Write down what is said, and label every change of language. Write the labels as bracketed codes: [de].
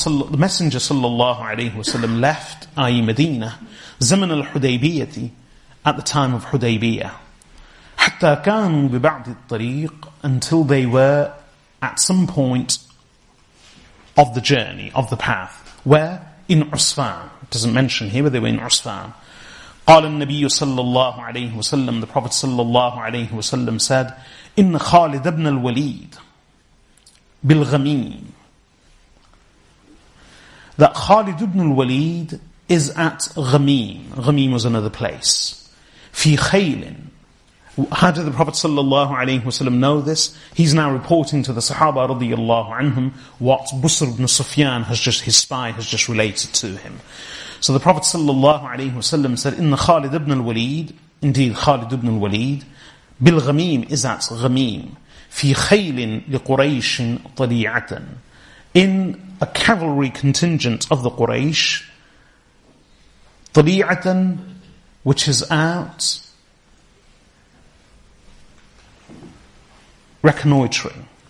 [en] The Messenger sallallahu alaihi wasallam left, i.e., Medina, [ar] zaman al-Hudaybiyyah, [en] at the time of Hudaybiyah. [ar] Hatta kanu bi ba'd al-tariq, [en] until they were at some point of the journey, of the path, where in Usfan. It doesn't mention here, but they were in Usfan. [ar] قال النبي صلى الله عليه وسلم, [en] the Prophet [ar] صلى الله عليه وسلم said, إن خالد بن الوليد بالغميم, that خالد بن الوليد is at غميم. [en] غميم was another place. [ar] في خيل. [en] How did the Prophet صلى الله عليه وسلم know this? He's now reporting to the Sahaba رضي الله عنهم what Busr ibn Sufyan his spy has just related to him. So the Prophet sallallahu alaihi wasallam said, [ar] "Inna Khalid ibn al-Walid, [en] indeed Khalid ibn al-Walid, bil Ghamim, is at Ghamim, [ar] fi khaylin li Quraysh tadi'atan, [en] in a cavalry contingent of the Quraysh, tadi'atan, which is out reconnoitering,